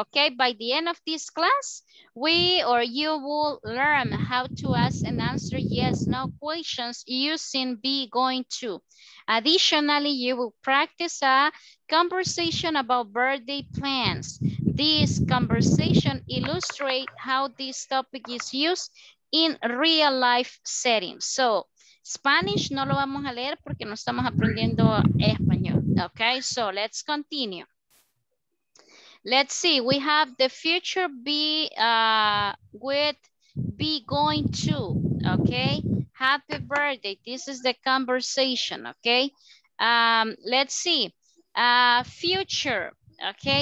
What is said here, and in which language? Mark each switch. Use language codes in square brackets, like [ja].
[en] Okay, by the end of this class, we or you will learn how to ask and answer yes, no questions using be going to. Additionally, you will practice a conversation about birthday plans. This conversation illustrates how this topic is used in real life settings. [es] So, Spanish no lo vamos a leer porque no estamos aprendiendo español. [en] Okay, so let's continue. Let's see, we have the future be with be going to, okay? Happy birthday, this is the conversation, okay? Let's see, future, okay?